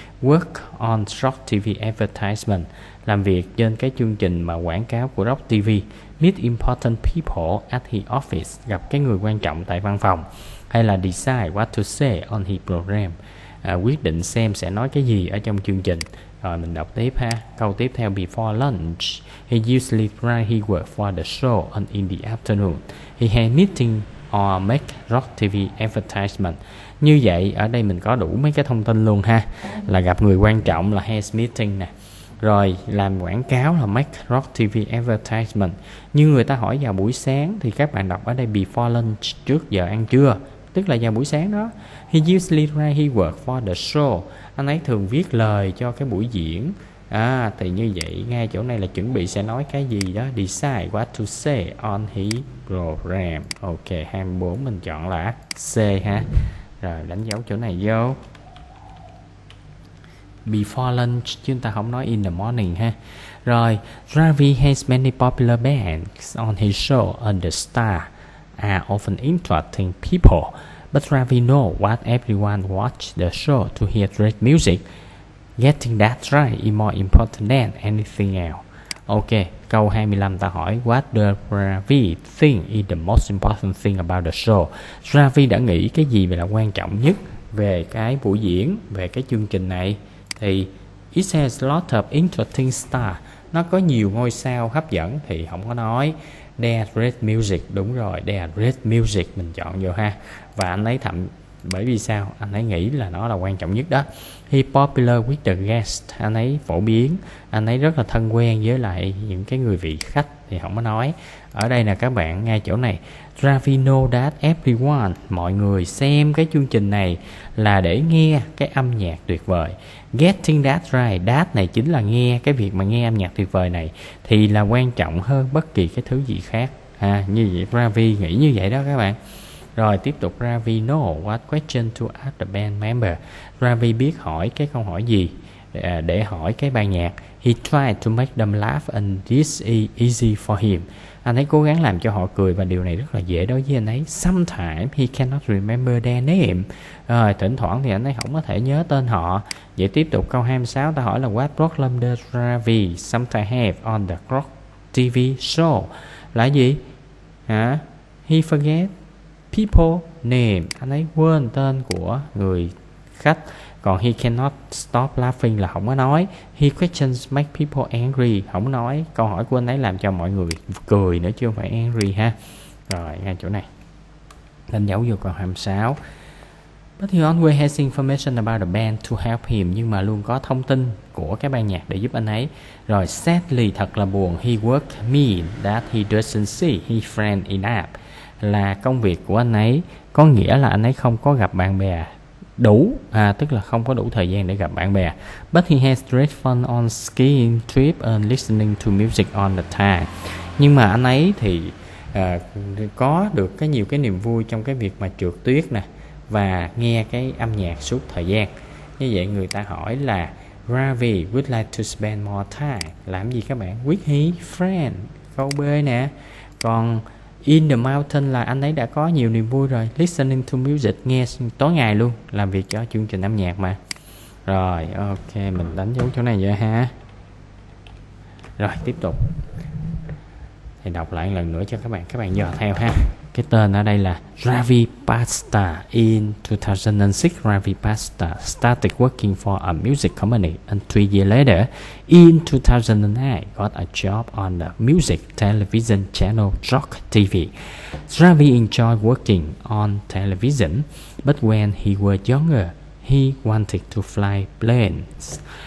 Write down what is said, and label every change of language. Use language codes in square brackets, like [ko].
[en] Work on Rock TV advertisement. [vi] Làm việc trên cái chương trình mà quảng cáo của Rock TV. Meet important people at the office. Gặp cái người quan trọng tại văn phòng. Hay là [en] decide what to say on his program. [vi] quyết định xem sẽ nói cái gì ở trong chương trình. Rồi mình đọc tiếp ha. Câu tiếp theo: [en] Before lunch, he usually write his work for the show, and in the afternoon, he had meeting or make rock TV advertisement. [vi] Như vậy, ở đây mình có đủ mấy cái thông tin luôn ha. Là gặp người quan trọng là has meeting nè. Rồi làm quảng cáo là [en] make rock TV advertisement. [vi] Như người ta hỏi vào buổi sáng thì các bạn đọc ở đây before lunch, trước giờ ăn trưa, tức là vào buổi sáng đó. [en] He usually write his work for the show. [vi] Anh ấy thường viết lời cho cái buổi diễn. À, thì như vậy ngay chỗ này là chuẩn bị sẽ nói cái gì đó. [en] Decide what to say on his program. [vi] Ok, 24 mình chọn là C ha. Rồi đánh dấu chỗ này vô. Before lunch, chúng ta không nói in the morning ha. [en] Rồi, Ravi has many popular bands on his show, and the stars are often interesting people. But Ravi knows what everyone watches the show to hear great music. Getting that right is more important than anything else. Ok, [vi] câu 25 ta hỏi, [en] what does Ravi think is the most important thing about the show? [vi] Ravi đã nghĩ cái gì là quan trọng nhất về cái buổi diễn, về cái chương trình này? Thì [en] it has lots of interesting stars. [vi] Nó có nhiều ngôi sao hấp dẫn thì không có nói. [en] There's great music. [vi] Đúng rồi, [en] there's great music. [vi] Mình chọn vô ha. Và anh ấy thậm, bởi vì sao? Anh ấy nghĩ là nó là quan trọng nhất đó. [en] He popular with the guests. [vi] Anh ấy phổ biến. Anh ấy rất là thân quen với lại những cái người vị khách. Thì không có nói. Ở đây nè các bạn, ngay chỗ này, [en] Ravi know that everyone, [vi] mọi người xem cái chương trình này là để nghe cái âm nhạc tuyệt vời. Getting that right, that này chính là nghe, cái việc mà nghe âm nhạc tuyệt vời này thì là quan trọng hơn bất kỳ cái thứ gì khác. À, như vậy Ravi nghĩ như vậy đó các bạn. [en] Rồi tiếp tục, Ravi know what question to ask the band member. [vi] Ravi biết hỏi cái câu hỏi gì để hỏi cái ban nhạc. [en] He tried to make them laugh and this is easy for him. [vi] Anh ấy cố gắng làm cho họ cười và điều này rất là dễ đối với anh ấy. [en] Sometimes he cannot remember their name. [vi] Rồi, thỉnh thoảng thì anh ấy không có thể nhớ tên họ. Vậy tiếp tục câu 26 ta hỏi là [en] what problem does Ravi sometimes have on the Croc TV show? [vi] Là gì? Hả? [en] He forget people name. [vi] Anh ấy quên tên của người khách. Còn he cannot stop laughing là không có nói. [en] He questions make people angry. [vi] Không nói. Câu hỏi của anh ấy làm cho mọi người cười nữa chứ không phải angry ha. Rồi, ngay chỗ này. Đánh dấu vô câu 26. [en] But he always has information about the band to help him. [vi] Nhưng mà luôn có thông tin của cái ban nhạc để giúp anh ấy. Rồi, sadly, thật là buồn. [en] He works mean that he doesn't see his friend enough. [vi] Là công việc của anh ấy có nghĩa là anh ấy không có gặp bạn bè đủ, à, tức là không có đủ thời gian để gặp bạn bè. [en] But he has great fun on skiing trip and listening to music on the time. [vi] Nhưng mà anh ấy thì có được cái nhiều cái niềm vui trong cái việc mà trượt tuyết nè và nghe cái âm nhạc suốt thời gian. Như vậy người ta hỏi là [en] Ravi would like to spend more time. [vi] Làm gì các bạn? [en] With his friend. [vi] Câu B nè. Còn in the mountain là anh ấy đã có nhiều niềm vui rồi. [en] Listening to music, [vi] nghe tối ngày luôn, làm việc cho chương trình âm nhạc mà. Rồi, ok, mình đánh dấu chỗ này vậy ha. Rồi, tiếp tục. Thì đọc lại lần nữa cho các bạn dò theo ha. Cái tên ở đây là Ravi Pasta. [en] In 2006, Ravi Pasta started working for a music company. And 3 years later, in 2009, got a job on the music television channel Rock TV. Ravi enjoyed working on television, but when he was younger, he wanted to fly planes.